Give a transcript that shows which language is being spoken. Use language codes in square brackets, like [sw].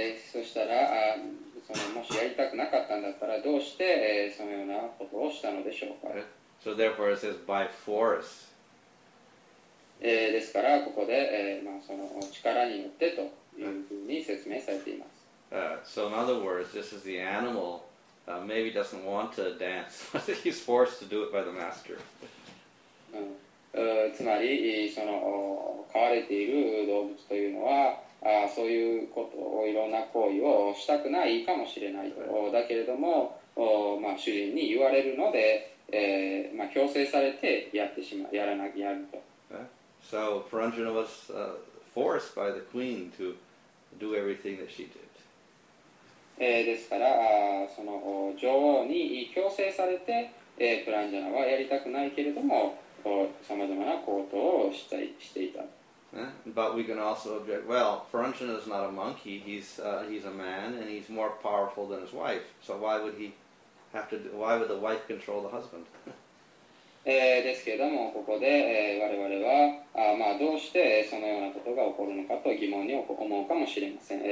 [ja] そしたら、もしやりたくなかったんだったらどうしてそのようなことをしたのでしょうか。 [en] So therefore it says by force. [ja] ですからここで、まあ、その力によってというふうに説明されています。 [en] So in other words, this is the animal maybe doesn't want to dance, but he's forced to do it by the master. [ja] つまりその飼われている動物というのはそういうことをいろんな行為をしたくないかもしれない、right. だけれども、まあ、主人に言われるので、まあ、強制されてやってしまうやらなきゃやると、 [en] okay. So Paranjana was forced by the queen to do everything that she did、 [ja] ですからその女王に強制されて、プランジャナはやりたくないけれどもさまざまな行動をしたいしていた。 [en] Yeah, but we can also object, well, Paranjana is not a monkey, he's a man, and he's more powerful than his wife. So why would he have to, why would the wife control the husband? [ja] ですけれども、ここで、我々は、まあ、どうしてそのようなことが起こるのかと疑問に思うかもしれません。